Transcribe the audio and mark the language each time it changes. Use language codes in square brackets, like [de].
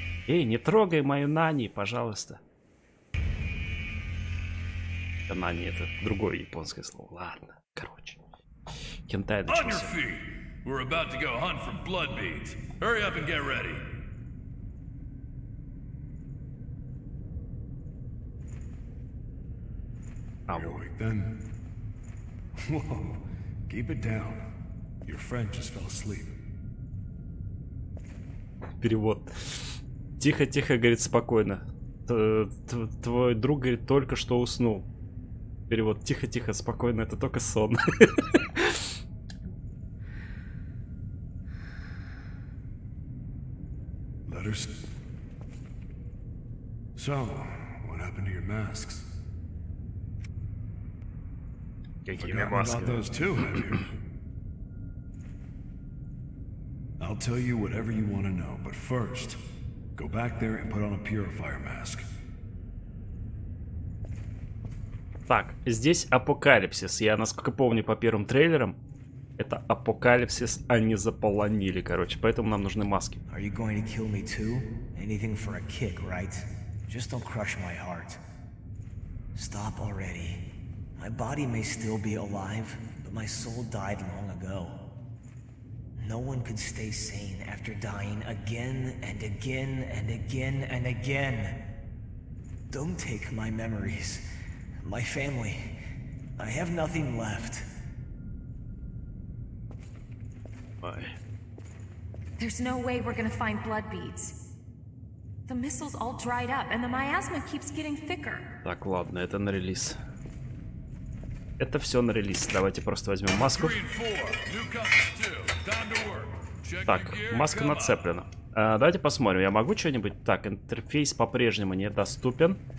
[ru] Эй, не трогай мою Нани, пожалуйста. Нани — это другое японское слово. Ладно, короче. Кентай начался. [en] On your feet! We're about to go hunt for blood beads. Hurry up and get ready. Awake then. Whoa, keep it down. Your friend just fell asleep. [ru] Перевод. Тихо-тихо, говорит, спокойно. Твой друг, говорит, только что уснул. Перевод. Тихо-тихо, спокойно, это только сон. [en] Letters. So, what happened to your masks? Forgotten about those too, have you? I'll tell you whatever you want to know, but first, go back there and put on a purifier mask. [ru] Так, здесь апокалипсис. Я, насколько помню, по первым трейлерам, это апокалипсис, они заполонили, короче. Поэтому нам нужны маски. [en] Are you going to kill me too? Anything for a kick, right? Just don't crush my heart. Stop already. My body may still be alive, but my soul died long ago. No one could stay sane after dying again and again and again and again. Don't take my memories, my family. I have nothing left. Why? There's no way we're gonna find blood beads. The missiles all dried up, and the miasma keeps getting thicker. [ru] Так, ладно, это на релиз. Это все на релиз. Давайте просто возьмем маску. Так, маска нацеплена. Давайте посмотрим, я могу что-нибудь. Так, интерфейс по-прежнему недоступен.